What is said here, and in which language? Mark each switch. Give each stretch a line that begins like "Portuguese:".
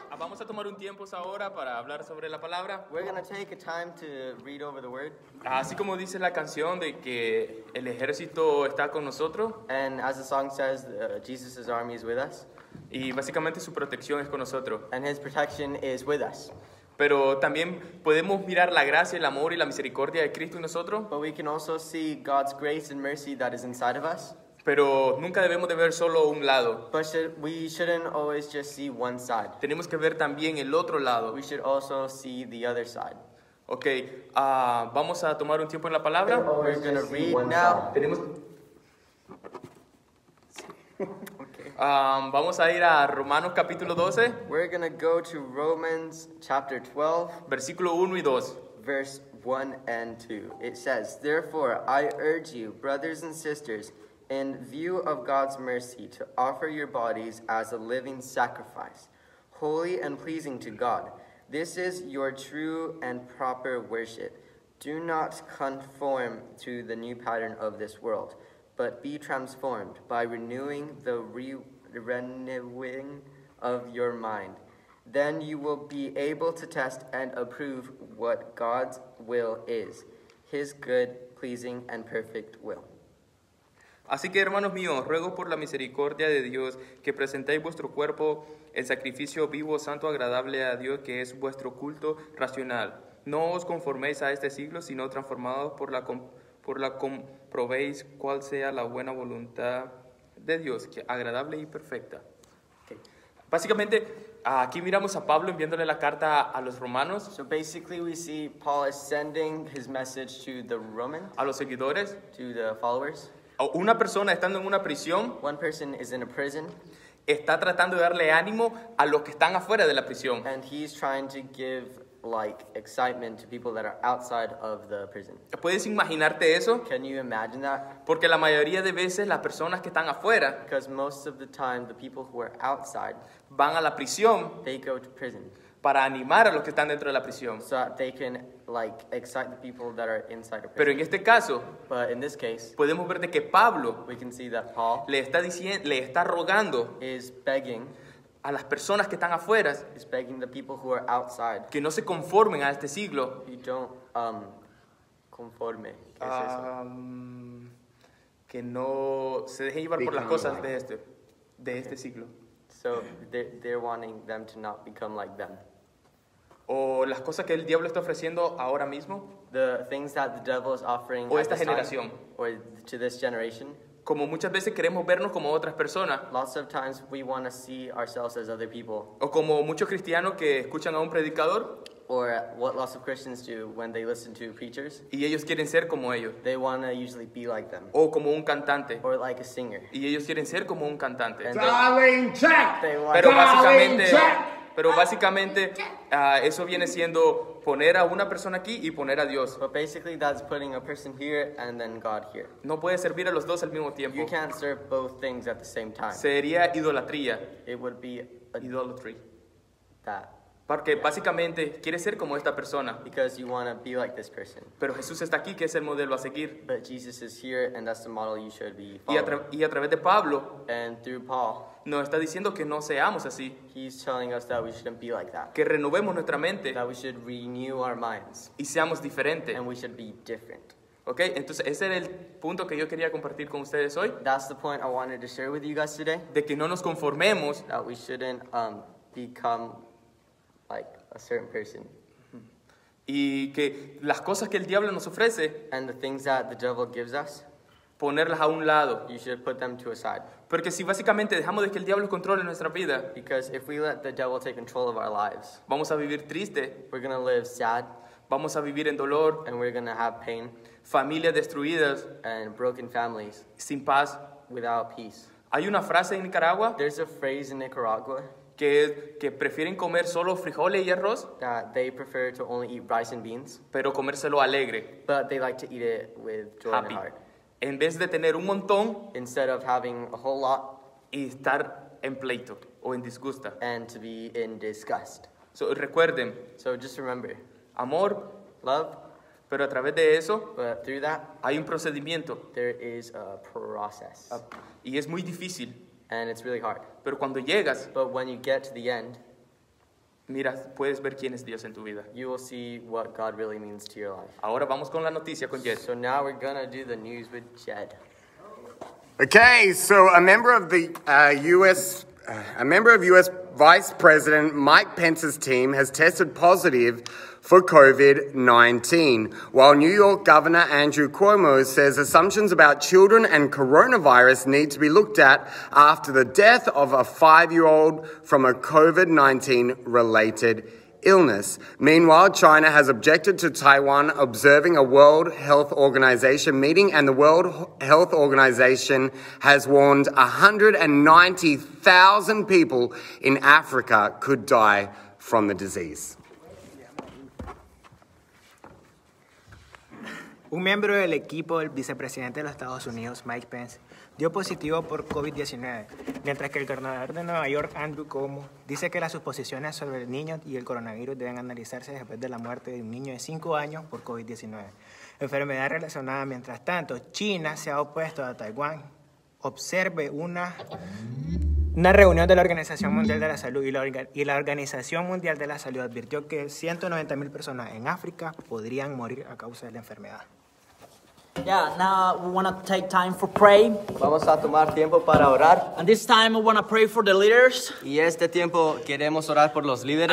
Spanish: Vamos a tomar un tiempo ahora para hablar sobre la palabra.
English: We're going to take a time to read over the word.
Spanish: Así como dice la canción de que el ejército está con nosotros.
English: And as the song says, Jesus' army is with us.
Spanish: Y básicamente su protección es con nosotros.
English: And his protection is with us.
Spanish: Pero también podemos mirar la gracia, el amor y la misericordia de Cristo en nosotros.
English: But we can also see God's grace and mercy that is inside of us.
Spanish: Pero nunca debemos de ver solo un lado.
English: But we shouldn't always just see one side.
Spanish: Tenemos que ver también el otro lado.
English: We should also see the other side.
Spanish: Okay, vamos a tomar un tiempo en la palabra.
English: We're going to read now.
Spanish: Tenemos... vamos a ir a Romanos capítulo 12.
English: We're going to go to Romans chapter 12.
Spanish: Versículo 1 y 2.
English: Verse 1 and 2. It says, therefore, I urge you, brothers and sisters, in view of God's mercy, to offer your bodies as a living sacrifice, holy and pleasing to God. This is your true and proper worship. Do not conform to the new pattern of this world, but be transformed by renewing the renewing of your mind. Then you will be able to test and approve what God's will is, his good, pleasing, and perfect will.
Spanish: Así que, hermanos míos, ruego por la misericordia de Dios que presentéis vuestro cuerpo en sacrificio vivo, santo, agradable a Dios, que es vuestro culto racional. No os conforméis a este siglo, sino transformados por la comprobéis cuál sea la buena voluntad de Dios, que agradable y perfecta. Okay. Básicamente, aquí miramos a Pablo enviándole la carta a los romanos.
English: So basically we see Paul is sending his message to the Romans.
Spanish: A los seguidores.
English: To the followers.
Spanish: Una persona estando en una prisión,
English: one person is in a prison,
Spanish: está tratando de darle ánimo a los que están afuera de la prisión.
English: And he's trying to give like excitement to people that are outside of the prison.
Spanish: ¿Puedes imaginarte eso?
English: Can you imagine that?
Spanish: Porque la mayoría de veces las personas que están afuera,
English: because most of the time the people who are outside,
Spanish: van a la prisión,
English: they go to prison,
Spanish: para animar a los que están dentro de la prisión.
English: So that they can like excite the people that are inside a prison.
Spanish: Pero en este caso,
English: but in this case,
Spanish: podemos ver de que Pablo,
English: we can see that Paul,
Spanish: le está diciendo, le está rogando,
English: is begging,
Spanish: a las personas que están afuera,
English: is begging the people who are outside,
Spanish: que no se conformen a este siglo.
English: You don't
Spanish: conforme. ¿Qué es eso? Que no se dejen llevar por las cosas
English: like
Spanish: de este siglo.
English: So they're wanting them to not become like them.
Spanish: O las cosas que el diablo está ofreciendo ahora mismo.
English: The things that the devil is offering.
Spanish: O esta generación.
English: Or to this generation.
Spanish: Como muchas veces queremos vernos como otras personas.
English: Lots of times we want to see ourselves as other people.
Spanish: O como muchos cristianos que escuchan a un predicador.
English: Or what lots of Christians do when they listen to preachers.
Spanish: Y ellos quieren ser como ellos.
English: They want to usually be like them.
Spanish: O como un cantante.
English: Or like a singer.
Spanish: Y ellos quieren ser como un cantante.
English: Darling, check! They want
Spanish: pero básicamente...
English: Check!
Spanish: Pero básicamente, eso viene siendo poner a una persona aquí y poner a Dios.
English: But basically, that's putting a person here and then God here.
Spanish: No puede servir a los dos al mismo tiempo.
English: You can't serve both things at the same time.
Spanish: Sería idolatría.
English: It would be idolatry. That.
Spanish: Porque básicamente, quiere ser como esta persona.
English: Because you want to be like this person.
Spanish: Pero Jesús está aquí, que es el modelo a seguir.
English: But Jesus is here and that's the model you should be following.
Spanish: Y a través de Pablo.
English: And through Paul.
Spanish: Nos está diciendo que no seamos así.
English: He's telling us that we shouldn't be like that.
Spanish: Que renovemos nuestra mente.
English: That we should renew our minds.
Spanish: Y seamos diferentes.
English: And we should be different.
Spanish: Okay, entonces ese era el punto que yo quería compartir con ustedes hoy.
English: That's the point I wanted to share with you guys today.
Spanish: De que no nos conformemos.
English: That we shouldn't become like a certain person.
Spanish: Y que las cosas que el diablo nos ofrece.
English: And the things that the devil gives us.
Spanish: ponerlas a un lado.
English: You should put them to a side.
Spanish: Porque si básicamente dejamos de que el diablo controle nuestra vida,
English: because if we let the devil take control of our lives,
Spanish: vamos a vivir triste.
English: We're gonna live sad.
Spanish: Vamos a vivir en dolor.
English: And we're gonna have pain.
Spanish: Familias destruidas.
English: And broken families.
Spanish: Sin paz.
English: Without peace.
Spanish: Hay una frase en Nicaragua.
English: There's a phrase in Nicaragua.
Spanish: Que es que prefieren comer solo frijoles y arroz.
English: That they prefer to only eat rice and beans.
Spanish: Pero comérselo alegre.
English: But they like to eat it with joy happy. In their heart.
Spanish: En vez de tener un montón.
English: Instead of having a whole lot.
Spanish: Y estar en pleito o en disgusto.
English: And to be in disgust.
Spanish: So recuerden.
English: So just remember.
Spanish: Amor.
English: Love.
Spanish: Pero a través de eso,
English: but through that,
Spanish: hay un procedimiento.
English: There is a process.
Spanish: Y es muy difícil.
English: And it's really hard.
Spanish: Pero cuando llegas,
English: but when you get to the end,
Spanish: mira, puedes ver quién es Dios en tu vida.
English: You will see what God really means to your life.
Spanish: Ahora vamos con la noticia con Jed.
English: So now we're going to do the news with Jed. Okay, so a member of the U.S. Vice President Mike Pence's team has tested positive for COVID-19, while New York Governor Andrew Cuomo says assumptions about children and coronavirus need to be looked at after the death of a 5-year-old from a COVID-19 related illness. Meanwhile, China has objected to Taiwan observing a World Health Organization meeting, and the World Health Organization has warned 190,000 people in Africa could die from the disease.
Spanish: Un miembro del equipo del vicepresidente de los Estados Unidos, Mike Pence, dio positivo por COVID-19, mientras que el gobernador de Nueva York, Andrew Cuomo, dice que las suposiciones sobre el niño y el coronavirus deben analizarse después de la muerte de un niño de 5 años por COVID-19. Enfermedad relacionada, mientras tanto, China se ha opuesto a Taiwán. Observe una reunión de la Organización Mundial de la Salud y la Organización Mundial de la Salud advirtió que 190,000 personas en África podrían morir a causa de la enfermedad.
English: Yeah, now we want to take time for pray.
Spanish: Vamos a tomar tiempo para orar.
English: And this time we want to pray for the leaders.
Spanish: Y este tiempo queremos orar por los líderes.